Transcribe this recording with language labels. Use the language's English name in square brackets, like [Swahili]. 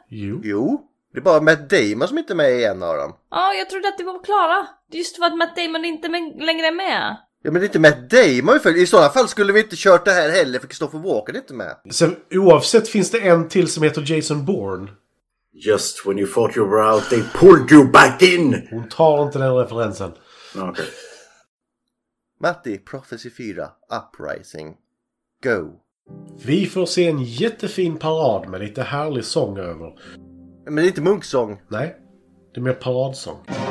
[Swedish] Jo. Det är bara Matt Damon som inte är med i en av dem. Ja, jag trodde att det var klara. Just för att Matt Damon inte längre är med. Ja, men det är inte Matt Damon. I sådana fall skulle vi inte kört det här heller, för Christopher Walken är inte med. Sen, oavsett, finns det en till som heter Jason Bourne. [English] Just when you thought you were out, they pulled you back in. [Swedish] Hon tar inte den referensen. [English] Okay. Matti, Prophecy 4, Uprising. Go. [Swedish] Vi får se en jättefin parad med lite härlig sång över. Men det är inte munksång. Nej, det är mer paradsång.